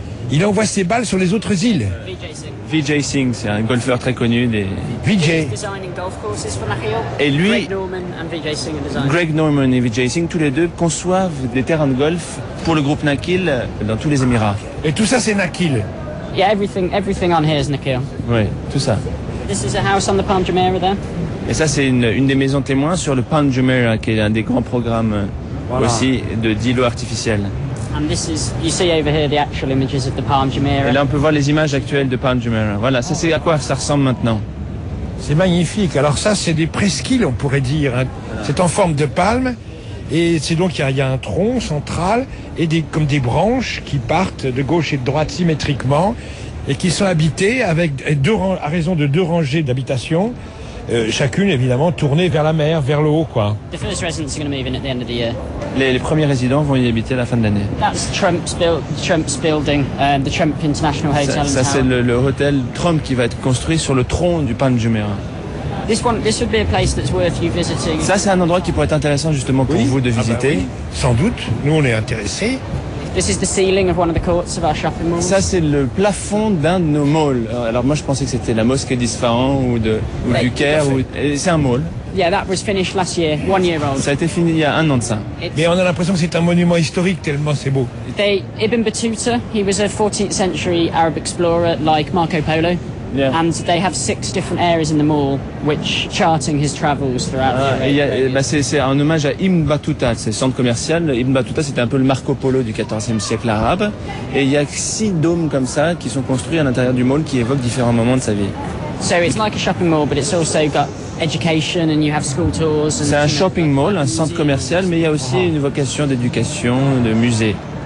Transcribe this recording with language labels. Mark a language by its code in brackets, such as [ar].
[fr] Il envoie ses balles sur les autres îles. Vijay Singh, c'est un golfeur très connu. Vijay. Et lui, Greg Norman et Vijay Singh, tous les deux conçoivent des terrains de golf pour le groupe Nakheel dans tous les Émirats. Et tout ça, c'est Nakheel. [en] Yeah, everything on here is Nakheel. [fr] Oui, tout ça. [en] This is a house on the Palm Jumeirah there. [fr] Et ça, c'est une des maisons témoins sur le Palm Jumeirah, qui est un des grands programmes aussi de d'îlots artificiels. [en] And this is, you see over here the actual images of the Palm Jumeirah. [fr] Et là, on peut voir les images actuelles de Palm Jumeirah. Voilà, ça, c'est à quoi ça ressemble maintenant. C'est magnifique. Alors ça, c'est des presqu'îles, on pourrait dire. C'est en forme de palme. Et c'est donc, il y a un tronc central et comme des branches qui partent de gauche et de droite symétriquement et qui sont habitées à raison de deux rangées d'habitations, chacune évidemment tournée vers la mer, vers le haut, quoi. Les premiers résidents vont y habiter à la fin de l'année. [en] That's Trump's building, the Trump International Hotel. [fr] Ça c'est le hôtel Trump qui va être construit sur le tronc du Palm Jumeirah. [en] This would be a place that's worth you visiting. [fr] Ça, c'est un endroit qui pourrait être intéressant justement pour vous de visiter. Ah ben oui, sans doute. Nous, on est intéressés. [en] This is the ceiling of one of the courts of our shopping malls. [fr] Ça, c'est le plafond d'un de nos malls. Alors moi, je pensais que c'était la mosquée d'Isfahan ou du Caire. C'est un mall. [en] Yeah, that was finished last year, 1 year old. [fr] Ça a été fini il y a un an de ça. Mais on a l'impression que c'est un monument historique tellement c'est beau. [en] Ibn Battuta, he was a 14th century Arab explorer like Marco Polo. Yeah. And they have 6 different areas in the mall which charting his travels throughout. [fr] C'est un hommage à Ibn Battuta, c'est le centre commercial. Ibn Battuta, c'était un peu le Marco Polo du 14e siècle arabe. Et il y a 6 dômes comme ça qui sont construits à l'intérieur du mall qui évoquent différents moments de sa vie. [en] So it's like a shopping mall, but it's also got education and you have school tours. [fr] C'est un shopping mall, un centre commercial, mais il y a aussi une vocation d'éducation, de musée.